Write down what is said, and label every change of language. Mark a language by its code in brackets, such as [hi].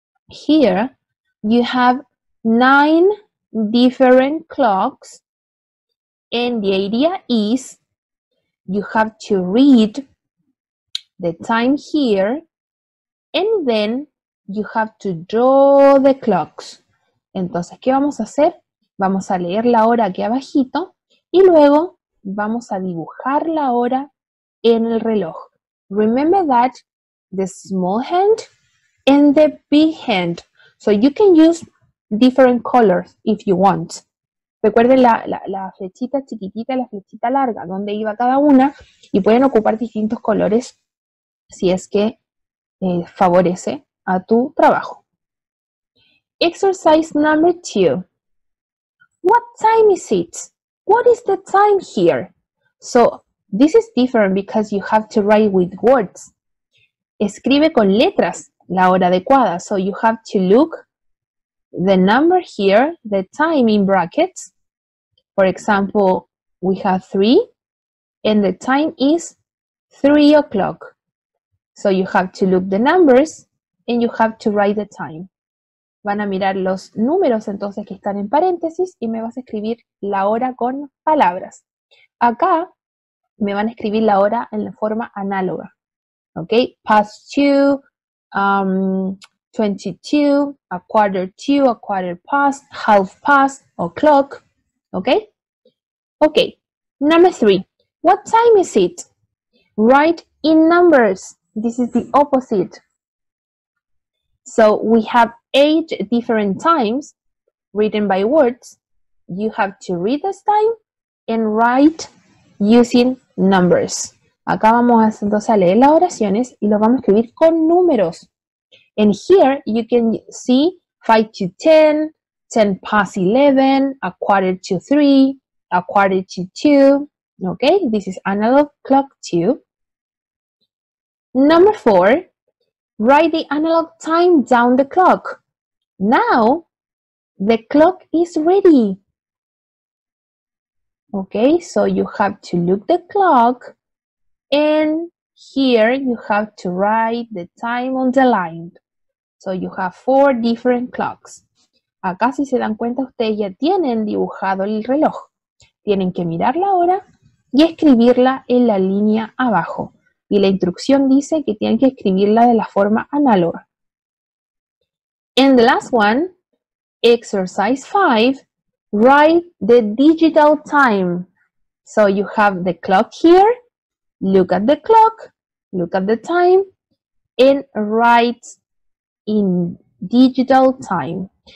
[en] Here you have 9 different clocks. And the idea is you have to read the time here and then you have to draw the clocks. [es] Entonces, ¿qué vamos a hacer? Vamos a leer la hora aquí abajito y luego vamos a dibujar la hora en el reloj. [en] Remember that the small hand and the big hand. So you can use different colors if you want. [es] Recuerden la flechita chiquitita, la flechita larga, donde iba cada una y pueden ocupar distintos colores si es que favorece a tu trabajo. [en] Exercise number 2. What time is it? What is the time here? So, this is different because you have to write with words. [es] Escribe con letras la hora adecuada. [en] So, you have to look the number here, the time in brackets. For example, we have 3 and the time is 3 o'clock. So, you have to look the numbers and you have to write the time. [es] Van a mirar los números entonces que están en paréntesis y me vas a escribir la hora con palabras. Acá me van a escribir la hora en la forma análoga. [en] ¿Ok? Past 2, 22, a quarter 2, a quarter past, half past, o'clock. ¿Ok? Ok. Number 3. What time is it? Write in numbers. This is the opposite. So we have 8 different times written by words. You have to read this time and write using numbers. [es] Acá vamos entonces a leer las oraciones y lo vamos a escribir con números. [en] And here you can see 5 to 10, 10 past 11, a quarter to 3, a quarter to 2. Okay, this is analog clock 2. Number 4. Write the analog time down the clock. Now, the clock is ready. Okay, so you have to look the clock, and here you have to write the time on the line. So you have four different clocks. [es] Acá, si se dan cuenta, ustedes ya tienen dibujado el reloj. Tienen que mirar la hora y escribirla en la línea abajo. Y la instrucción dice que tienen que escribirla de la forma análoga. [en] And the last one, exercise 5, write the digital time. So you have the clock here, look at the clock, look at the time, and write in digital time.